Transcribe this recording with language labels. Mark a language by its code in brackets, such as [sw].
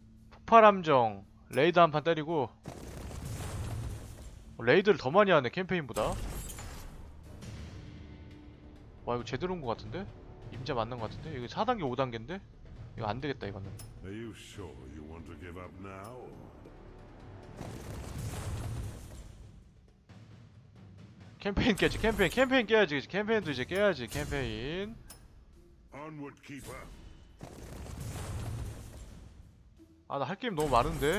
[ko] 폭발 함정 레이드 한 판 때리고. 어, 레이드를 더 많이 하네 캠페인보다. 와, 이거 제대로 온 거 같은데? 임자 맞는 거 같은데? 이거 4단계 5단계인데? 이거 안 되겠다 이거는. [en] Are you sure you want to give up now? [ko] 캠페인 깨지, 캠페인, 캠페인 깨야지, 그치? 캠페인도 이제 깨야지, 캠페인. [en] Onward, keeper. [ko] 아, 나 할 게임 너무 많은데?